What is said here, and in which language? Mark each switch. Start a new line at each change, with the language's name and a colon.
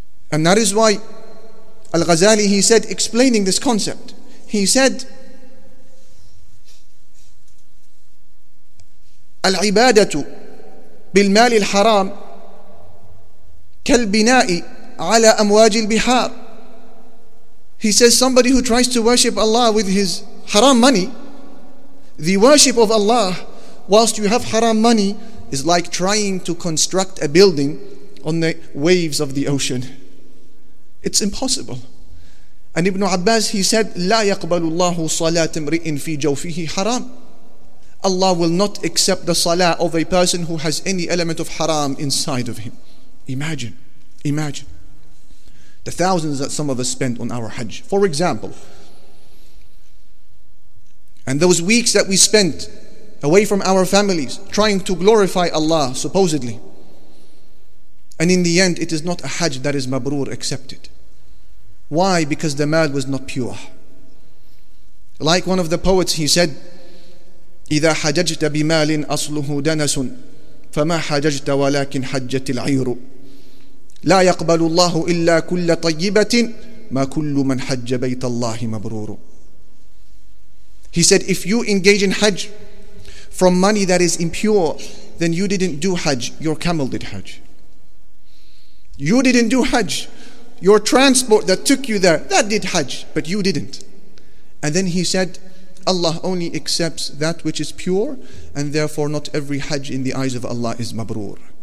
English: And that is why Al-Ghazali, he said, explaining this concept, he said,
Arabic: العبادة بالمال الحرام كالبناء على أمواج البحار.
English: He says, somebody who tries to worship Allah with his haram money, the worship of Allah whilst you have haram money is like trying to construct a building on the waves of the ocean. It's impossible. And Ibn Abbas, he said,
Arabic: لا يقبل الله صلاة امرئ في جوفه حرام.
English: Allah will not accept the salah of a person who has any element of haram inside of him. Imagine the thousands that some of us spend on our hajj, for example. And those weeks that we spent away from our families trying to glorify Allah, supposedly. And in the end, it is not a hajj that is mabrur accepted. Why? Because the mal was not pure. Like one of the poets, he said,
Arabic: إذا حججت بمال أصله دنس فما حججت ولكن حجت العير لا يقبل الله إلا كل طيبة ما كل من حج بيت الله مبرور.
English: He said, if you engage in hajj from money that is impure, then you didn't do hajj, your camel did hajj. You didn't do hajj, your transport that took you there, that did hajj, but you didn't. And then he said, Allah only accepts that which is pure, and therefore not every hajj in the eyes of Allah is mabrur.